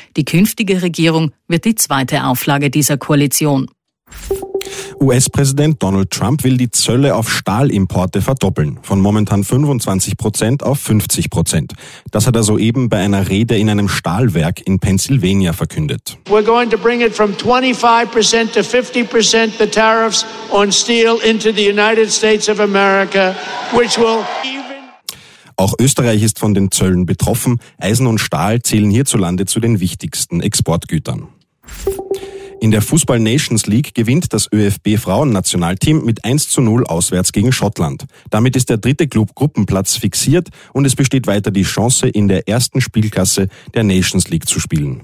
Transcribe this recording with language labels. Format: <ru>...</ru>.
<de>Die künftige Regierung wird die zweite Auflage dieser Koalition. US-Präsident Donald Trump will die Zölle auf Stahlimporte verdoppeln, von momentan 25% auf 50%. Das hat er soeben bei einer Rede in einem Stahlwerk in Pennsylvania verkündet.</de> <en>We're going to bring it from 25% to 50% the tariffs on steel into the United States of America, which will even...</en> <de>Auch Österreich ist von den Zöllen betroffen. Eisen und Stahl zählen hierzulande zu den wichtigsten Exportgütern. In der Fußball Nations League gewinnt das ÖFB-Frauennationalteam mit 1:0 auswärts gegen Schottland. Damit ist der dritte Club-Gruppenplatz fixiert und es besteht weiter die Chance, in der ersten Spielklasse der Nations League zu spielen.</de>